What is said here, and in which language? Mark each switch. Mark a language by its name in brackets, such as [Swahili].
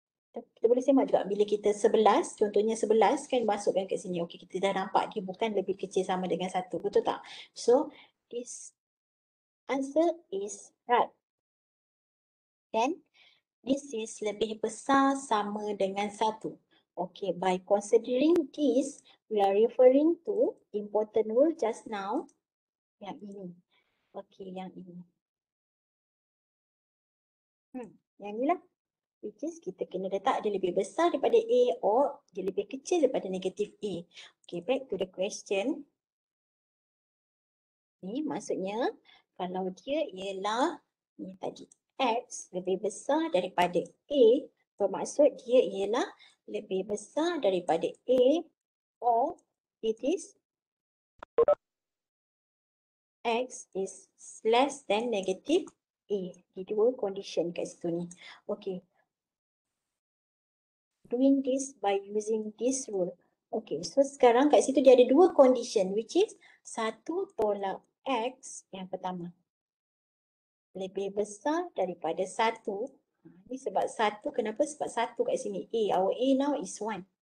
[Malay] Kita boleh semak juga bila kita 11, contohnya 11 kan masukkan kat sini. Okey, kita dah nampak dia bukan lebih kecil sama dengan 1. Betul tak? [English] So, this answer is right. Then, this is [Malay] lebih besar sama dengan 1. [English] Okay, by considering this, we are referring to important rule just now. [Malay] Yang ini. Okay, yang ini. Yang ni lah. [English] Which is [Malay] kita kena letak dia lebih besar daripada A or dia lebih kecil daripada negatif A. [English] Okay, back to the question. [Malay] Ni maksudnya kalau dia ialah ni tadi X lebih besar daripada A, bermaksud dia ialah lebih besar daripada A [English] or it is X is less than negative A. [Malay] Di dua condition kat situ ni. Okay. [English] Doing this by using this rule. [Malay] Okay, so sekarang kat situ dia ada dua condition [English] which is [Malay] 1 tolak X yang pertama lebih besar daripada 1. Ini sebab 1 kenapa? Sebab 1 kat sini A. [English] Our A now is 1.